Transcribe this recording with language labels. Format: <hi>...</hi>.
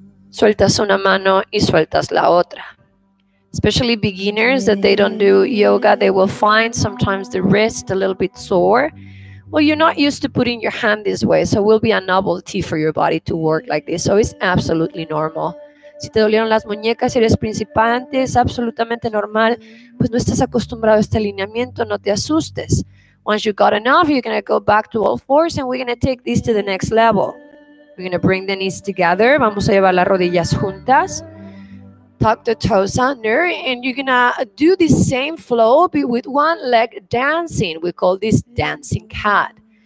<es>Sueltas una mano y sueltas la otra.</es> <en>Especially beginners that they don't do yoga, they will find sometimes the wrist a little bit sore. Well, you're not used to putting your hand this way, so it will be a novelty for your body to work like this. So it's absolutely normal.</en> <es>Si te dolieron las muñecas y eres principiante, es absolutamente normal. Pues no estás acostumbrado a este alineamiento, no te asustes.</es> <en>Once you got enough, you're going to go back to all fours and we're going to take this to the next level. We're going to bring the knees together.</en> <es>Vamos a llevar las rodillas juntas.</es> <en>Tuck the toes under, and you're going to do the same flow but with one leg dancing. We call this dancing cat.</en>